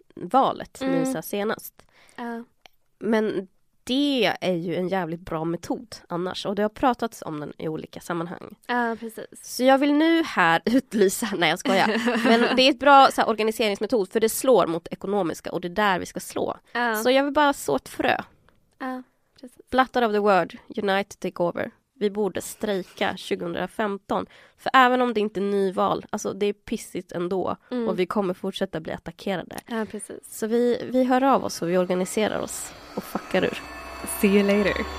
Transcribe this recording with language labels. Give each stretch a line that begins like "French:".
Swedish: valet nu så senast. Men det är ju en jävligt bra metod annars. Och det har pratats om den i olika sammanhang. Ja, precis. Så jag vill nu här utlysa, nej jag skojar. Men det är ett bra så här, organiseringsmetod, för det slår mot ekonomiska och det är där vi ska slå. Så jag vill bara så ett frö.
English: Blattar of the word, United take over.
Swedish: Vi borde strejka 2015. För även om det inte är nyval, alltså det är pissigt ändå. Mm. Och vi kommer fortsätta bli attackerade. Ja, precis. Så vi hör av oss och vi organiserar oss. Och fuckar ur.
English: See you later.